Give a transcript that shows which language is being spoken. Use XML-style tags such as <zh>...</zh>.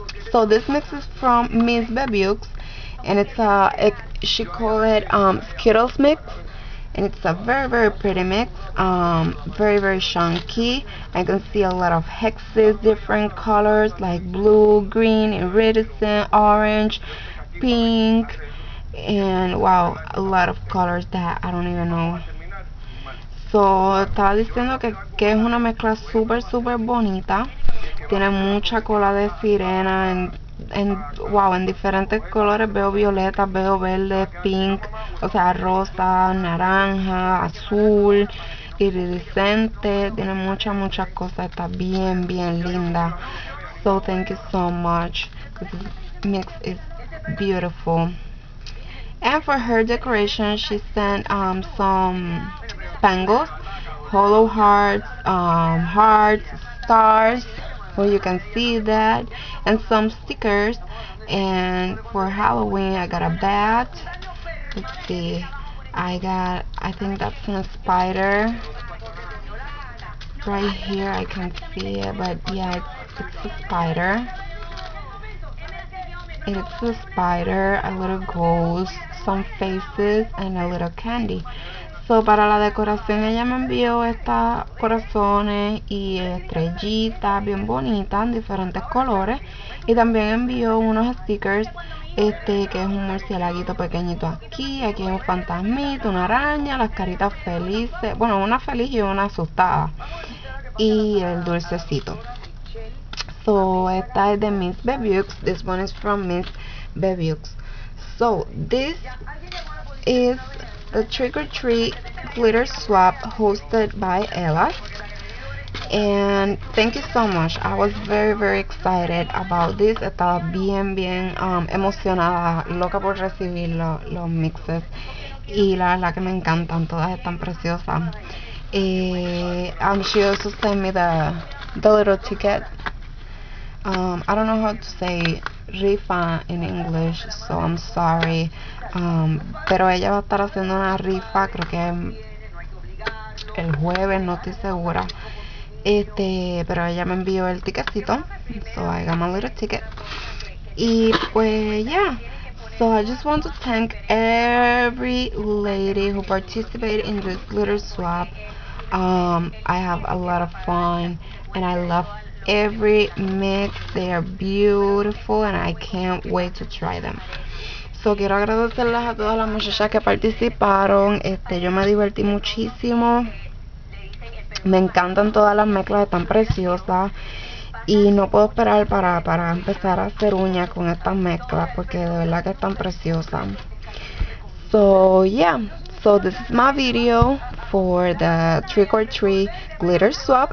<en>So, this mix is from Miss Bebux, and it's she called it Skittles mix, and it's a very, very pretty mix, very, very chunky. I can see a lot of hexes, different colors like blue, green, iridescent, orange, pink, and wow, a lot of colors that I don't even know.</en> <es>So, estaba diciendo que es una mezcla súper, súper bonita. Tiene mucha cola de sirena wow, en diferentes colores. Veo violeta, veo verde, pink, o sea, rosa, naranja, azul, iridescente. Tiene muchas, muchas cosas. Está bien, bien linda.</es> <en>So, thank you so much. This mix is beautiful. And for her decoration, she sent some spangles, hollow hearts, hearts, stars, where you can see that, and some stickers. And for Halloween, I got a bat. Let's see, I think that's a spider right here. I can see it, but yeah, it's a spider. It's a spider, a little ghost, some faces, and a little candy.</en> <es>So, para la decoración, ella me envió estas corazones y estrellitas bien bonitas en diferentes colores. Y también envió unos stickers, que es un murcielaguito pequeñito aquí. Aquí hay un fantasmito, una araña, las caritas felices. Bueno, una feliz y una asustada. Y el dulcecito. So, esta es de Miss Bebux.</es> <en>This one is from Miss Bebux. So, this is the Trick or Treat Glitter Swap hosted by Ella. And thank you so much. I was very, very excited about this.</en> <es>Estaba bien, bien emocionada, loca por recibir los mixes. Y la verdad que me encantan, todas están preciosas.</es> <en>And she also sent me the little ticket. I don't know how to say rifa in English, so I'm sorry.</en> <es>Pero ella va a estar haciendo una rifa, creo que el jueves, no estoy segura. Pero ella me envió el ticketcito,</es> <en>so I got my little ticket.</en> <es>Y pues, yeah.</es> <en>So I just want to thank every lady who participated in this glitter swap. I have a lot of fun and I love every mix. They are beautiful and I can't wait to try them.</en> <es>So, quiero agradecerles a todas las muchachas que participaron. Yo me divertí muchísimo. Me encantan todas las mezclas, están preciosas. Y no puedo esperar para empezar a hacer uñas con estas mezclas porque de verdad que están preciosas.</es> <en>So, yeah. So, this is my video for the Trick or Treat Glitter Swap.</en>